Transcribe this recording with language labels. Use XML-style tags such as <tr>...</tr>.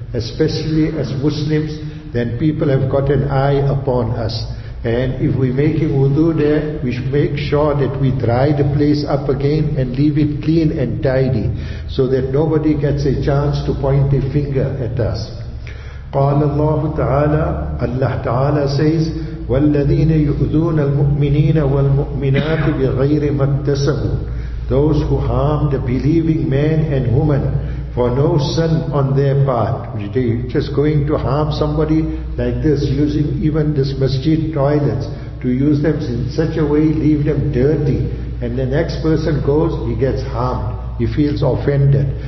<en>Especially as Muslims, then people have got an eye upon us. And if we make a wudu there, we should make sure that we dry the place up again and leave it clean and tidy, so that nobody gets a chance to point a finger at us.</en> <ar>قال الله تعالى,</ar> <en>Allah Ta'ala says,</en> <ar>وَالَّذِينَ يُؤْذُونَ الْمُؤْمِنِينَ وَالْمُؤْمِنَاتِ بِغَيْرِ مَا اكْتَسَبُوا.</ar> <en>Those who harm the believing man and woman for no sin on their part. They just going to harm somebody like this, using even this masjid toilets, to use them in such a way, leave them dirty. And the next person goes, he gets harmed. He feels offended.</en>